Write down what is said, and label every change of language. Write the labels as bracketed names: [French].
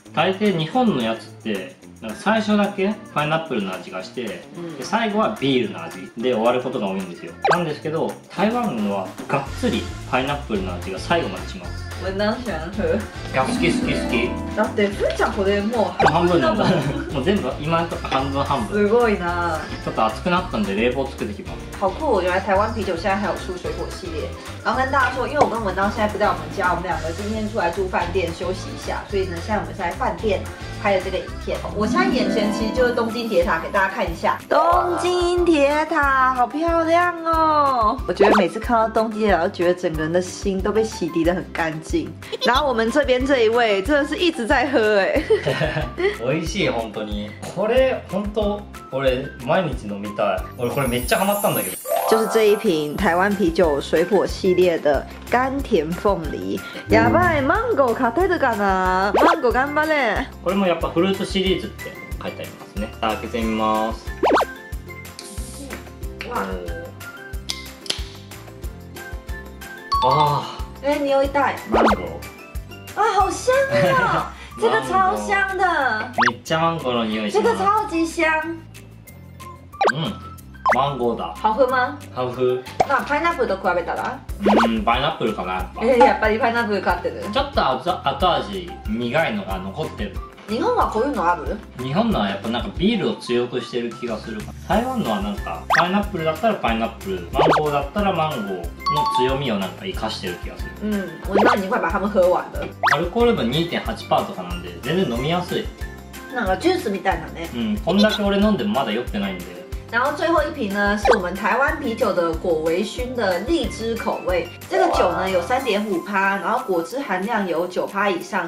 [Japanese] 大抵日本のやつってなんか最初だけパイナップルの味がして、うん、で最後はビールの味で終わることが多いんですよ。なんですけど台湾のはがっつりパイナップルの味が最後までします。 [Chinese] 文章喜欢喝。 [Japanese] いや、好き好き好き。だってふんちゃんこれもう半分だ。半分なんだ。もう全部今とか半分半分。すごいな。ちょっと熱くなったんで冷房作ってきます。 [Chinese] 好酷。原来台湾啤酒现在还有出水果系列。刚跟大家说，因为我跟文章现在不在我们家，我们两个今天出来住饭店休息一下，所以呢，现在我们在饭店拍了这个影片。我现在眼前其实就是东京铁塔，给大家看一下。东京铁塔好漂亮哦！我觉得每次看到东京铁塔，都觉得整个人的心都被洗涤得很干净。然后我们这边这一位真的是一直在喝哎。 [Japanese] 美味しい本当に。これ本当。これ毎日飲みたい。俺これめっちゃハマったんだけど。 [Chinese] 就是这一瓶台湾啤酒水果系列的甘甜凤梨。 [Japanese] やばい、マンゴー買ってるかな。マンゴー頑張れ。これもやっぱフルーツシリーズって書いてありますね。開けてみます。わあ。え、匂いたい。マンゴー。 [Chinese] あ、好香啊！这个超香的。 [Japanese] めっちゃマンゴーの匂いします。 [Chinese] 个超级香。 [Japanese] 嗯，マンゴーだ。 [Chinese] 好喝吗？好喝。 [Japanese] 那パイナップルと比べたら？パイナップルかな。やっぱりパイナップル買ってる。ちょっと後味苦いのが残ってる。日本はこういうのある？日本のはやっぱなんかビールを強くしてる気がする。台湾のはなんかパイナップルだったらパイナップル、マンゴーだったらマンゴーの強みをなんか生かしてる気がする。 [Chinese] 我希望你快把他们喝完的。 [Japanese] アルコール分 2.8% とかなんで全然飲みやすい。なんかジュースみたいなね。こんだけ俺飲んでもまだ酔ってないんで。 [Chinese] 然后最后一瓶呢，是我们台湾啤酒的果微醺的荔枝口味。这个酒呢有 3.5%， 然后果汁含量有 9% 以上。